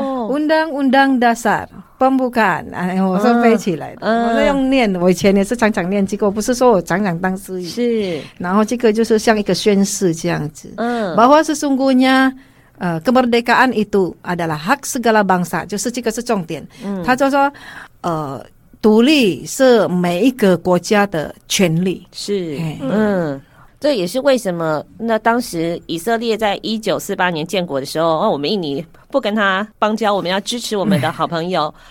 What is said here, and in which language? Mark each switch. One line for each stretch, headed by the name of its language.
Indonesian: Undang-undang dasar pembukaan，
Chinese: 我是背起来的，我是用念，我以前也是常常念，结果不是说我常常当司仪，是，然后这个就是像一个宣誓这样子。
Indonesian: bahwa sesungguhnya kemerdekaan itu adalah hak segala bangsa，
Chinese: 就是这个是重点。他就说独立是每一个国家的权利。是。这也是为什么那当时以色列在1948年建国的时候，我们印尼不跟他邦交，我们要支持我们的好朋友。